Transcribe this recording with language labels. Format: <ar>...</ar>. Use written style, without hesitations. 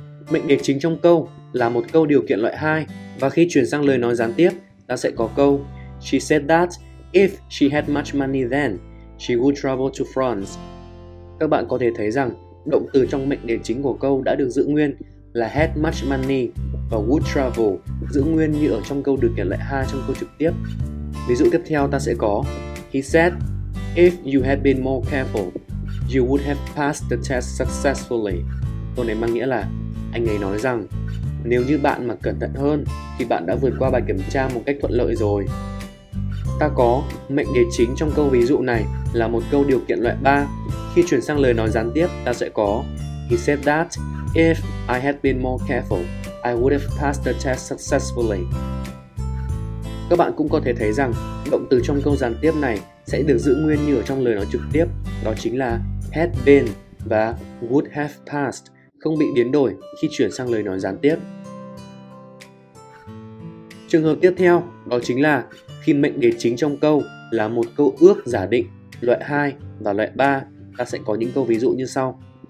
<vi>Mệnh đề chính trong câu là một câu điều kiện loại 2 và khi chuyển sang lời nói gián tiếp ta sẽ có câu</vi> <en>She said that if she had much money then she would travel to France.</en> <vi>Các bạn có thể thấy rằng động từ trong mệnh đề chính của câu đã được giữ nguyên là had much money và would travel, giữ nguyên như ở trong câu điều kiện loại 2 trong câu trực tiếp. Ví dụ tiếp theo ta sẽ có</vi> <en>He said, if you had been more careful, you would have passed the test successfully.</en> <vi>Câu này mang nghĩa là anh ấy nói rằng nếu như bạn mà cẩn thận hơn thì bạn đã vượt qua bài kiểm tra một cách thuận lợi rồi. Ta có mệnh đề chính trong câu ví dụ này là một câu điều kiện loại 3. Khi chuyển sang lời nói gián tiếp ta sẽ có</vi> <en>He said that if I had been more careful, I would have passed the test successfully.</en> <vi>Các bạn cũng có thể thấy rằng động từ trong câu gián tiếp này sẽ được giữ nguyên như ở trong lời nói trực tiếp, đó chính là had been và would have passed, không bị biến đổi khi chuyển sang lời nói gián tiếp. Trường hợp tiếp theo đó chính là khi mệnh đề chính trong câu là một câu ước giả định, loại 2 và loại 3, ta sẽ có những câu ví dụ như sau.</vi>